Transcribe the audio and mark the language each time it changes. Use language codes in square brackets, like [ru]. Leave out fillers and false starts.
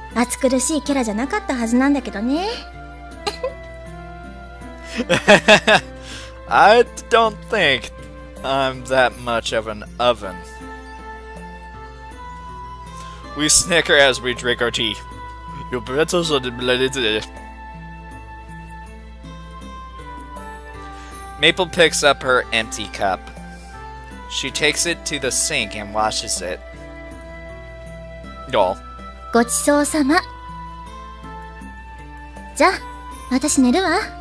[ja] 夢とか言っちゃう、暑苦しいキャラじゃなかったはずなんだけどね。 [en] I don't think I'm that much of an oven. We snicker as we drink our tea. Your pretzels are delicious. Maple picks up her empty cup. She takes it to the sink and washes it. [ja] ごちそうさま。じゃあ、私寝るわ。